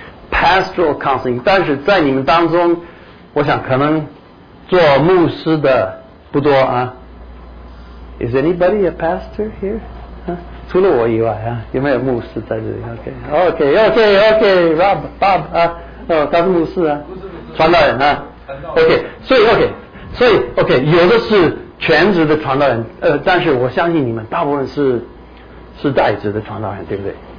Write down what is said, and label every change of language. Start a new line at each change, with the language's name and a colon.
English: Pastoral counseling，
Chinese: 但是在你们当中，我想可能做牧师的不多啊。
English: Is anybody a pastor here？
Chinese: 除了我以外啊，有没有牧师在这里 ？OK，Rob，Bob 啊，他是牧师啊。传道人啊 ，OK， 所以 OK， 有的是全职的传道人，但是我相信你们大部分是代职的传道人，对不对？